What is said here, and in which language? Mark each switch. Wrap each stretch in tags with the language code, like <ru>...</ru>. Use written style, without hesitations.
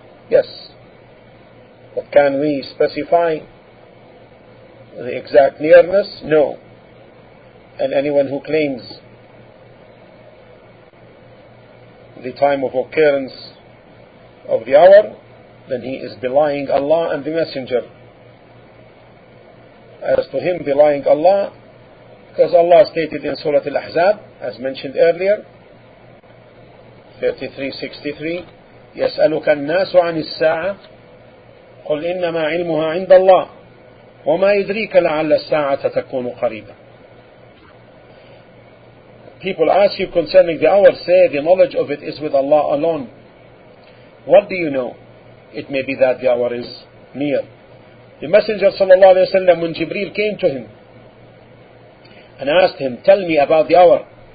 <en>Yes. But can we specify the exact nearness? No. And anyone who claims the time of occurrence of the hour, then he is belying Allah and the Messenger. As to him belying Allah, because Allah stated in Surah Al-Ahzab, as mentioned earlier, 33:63,</en> <ar>يَسْأَلُكَ النَّاسُ عَنِ السَّاعَةِ قُلْ إِنَّمَا عِلْمُهَا عِنْدَ اللَّهِ وَمَا يَدْرِيكَ لَعَلَّ السَّاعَةَ تَكُونُ قَرِيبًا.</ar> <en>People ask you concerning the hour, say the knowledge of it is with Allah alone. What do you know? It may be that the hour is near. The Messenger sallallahu alayhi wa sallam, when Jibreel came to him and asked him, tell me about the hour.</en>